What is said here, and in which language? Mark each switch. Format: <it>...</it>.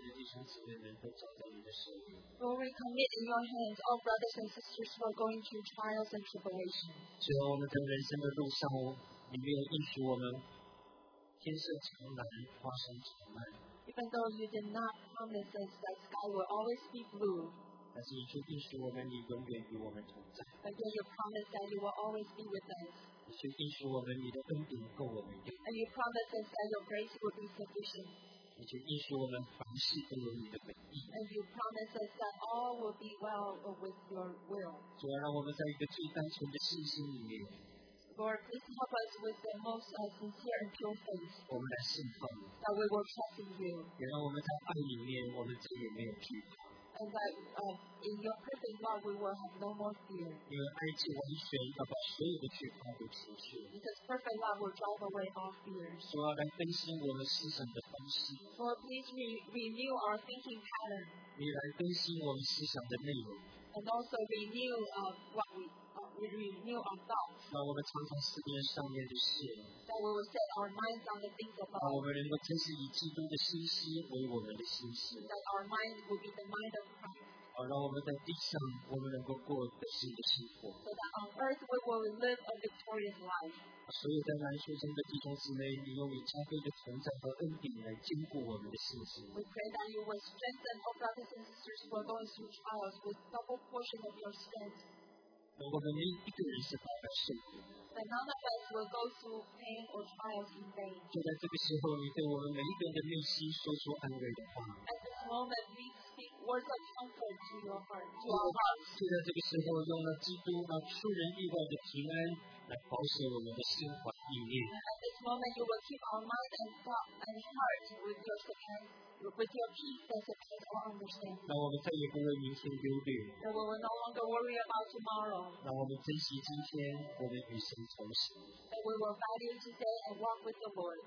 <en>Lord, we commit in your hands all brothers and sisters who are going through trials and tribulations.</en> <zh>最后我们在人生的路上，你没有应许我们天色常蓝，花生常烂。</zh> <en>Even though you did not promise us that sky will always be blue.</en> <zh>但是你却应许我们，你永远与我们同在。</zh> <en>But then you promise that you will always be with us.</en> <zh>你却应许我们，你的恩典够我们用。</zh> <en>And you promise us that your grace will be sufficient.</en> <zh>你就应许我们凡事都有你的美意。</zh> <en>And you promise us that all will be well with your will.</en> <zh>主啊，让我们在一个最单纯的信心里面。</zh> <en>Lord, please help us with the most sincere and pure faith.</en> <zh>我们来信奉。</zh> <en>That we will trust in you.</en> <zh>也让我们在爱里面，我们再也没有惧怕。</zh> <en>And that in your perfect love, we will have no more fear.</en> <zh>因为爱是完全要把所有的惧怕都除去。</zh> <en>Because perfect love will drive away all fears.</en> <zh>主啊，来更新我们思想的方式。</zh> <en>Lord, please renew our thinking pattern.</en> <zh>你来更新我们思想的内容。</zh> <en>And also renew what we.</en> <zh>让我们常常思念上面的事。</zh> <en>That we will set our minds on the things above.</en> <zh>让我们能够真是以基督的心思为我们的心思。</zh> <en>That our mind will be the mind of Christ.</en> <zh>好让我们在地上我们能够过得是一个幸福。</zh> <en>So that on earth we will live a victorious life.</en> <zh>所有在南树山的弟兄姊妹，你用你加倍的存在和恩典来坚固我们的信心。</zh> <en>We pray that you will strengthen all brothers and sisters who are going through trials with double portion of your strength.</en> <zh>如果我们一个人是白白受苦。</zh> <en>But none of us will go through pain or trials in vain. At this moment, we speak words of comfort to your heart, to our hearts.</en> <zh>就在这个时候，用了基督那出人意外的平安来保守我们的心怀意念。</zh> <en>At this moment, you will keep our mind and thought and heart with your command. With your peace that surpasses all understanding.</en> <zh>那我们再也不会明天忧虑。</zh> <en>That we will no longer worry about tomorrow.</en> <zh>那我们珍惜今天，我们与神同行。</zh> <en>That we will value today and walk with the Lord.</en>